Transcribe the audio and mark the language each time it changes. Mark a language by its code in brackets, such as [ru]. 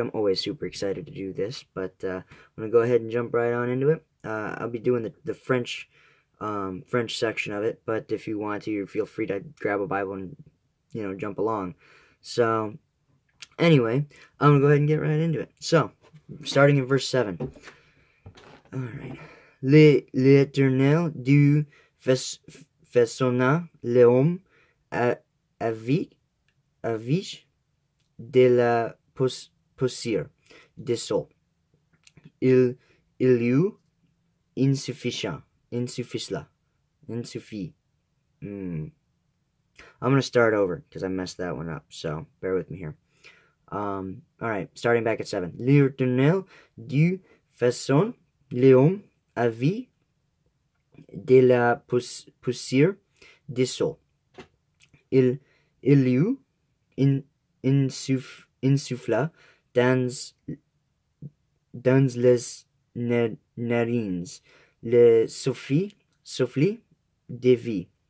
[en] I'm always super excited to do this, but I'm gonna go ahead and jump right on into it. I'll be doing the French section of it, but if you want to, you feel free to grab a Bible and jump along. So anyway, I'm gonna go ahead and get right into it. So starting in verse 7. All right. [fr] L'Éternel Dieu façonna l'homme avec de la poussière des sols. Il y eut insuffisant. [en] I'm going to start over because I messed that one up, so bear with me here. All right, starting back at 7. [fr] L'Éternel Dieu façonna l'homme avec de la poussière des sols. Il y eut insuffla dans les narines le souffle de vie.